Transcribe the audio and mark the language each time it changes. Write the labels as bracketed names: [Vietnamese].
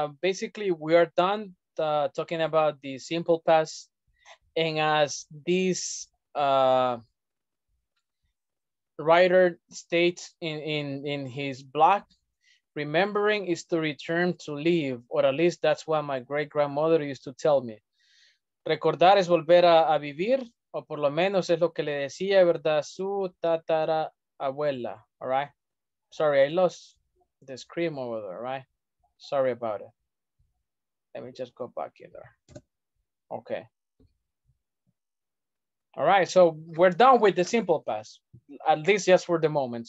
[English] Basically, we are done talking about the simple past, and as this writer states in his blog. Remembering is to return to live, or at least that's what my great grandmother used to tell me. [Spanish] Recordar es volver a vivir, o por lo menos es lo que le decía, ¿verdad? Su tatara abuela, [English] all right? Sorry, I lost the screen over there, right? Sorry about it. Let me just go back in there. Okay. All right, so we're done with the simple past, at least just for the moment.